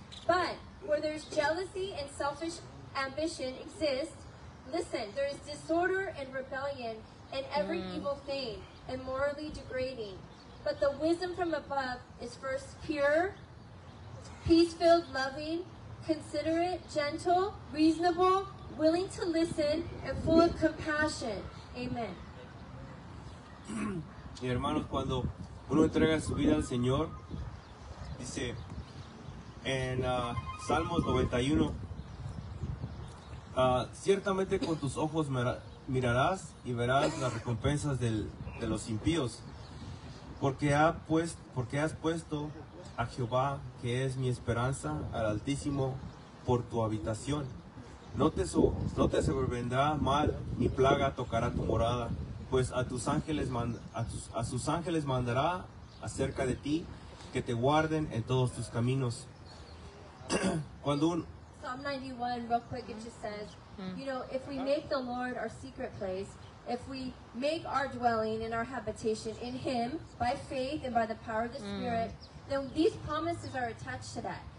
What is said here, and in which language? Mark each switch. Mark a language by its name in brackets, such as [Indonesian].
[English] But where there's jealousy and selfish ambition exist, listen, there is disorder and rebellion and every evil thing and morally degrading. But the wisdom from above is first pure, peace-filled, loving, considerate, gentle, reasonable, willing to listen, and full of compassion. Amen. [Spanish] Y hermanos, cuando uno entrega su vida al Señor, dice en Salmos 91, ciertamente con tus ojos mirarás y verás las recompensas de los impíos, porque has puesto a Jehová, que es mi esperanza, al Altísimo, por tu habitación. No te sobrevendrá mal, ni plaga tocará tu morada, pues a sus ángeles mandará acerca de ti, que te guarden en todos tus caminos. [English] Psalm 91, real quick, it just says, you know, if we make the Lord our secret place, if we make our dwelling and our habitation in Him by faith and by the power of the Spirit, then these promises are attached to that.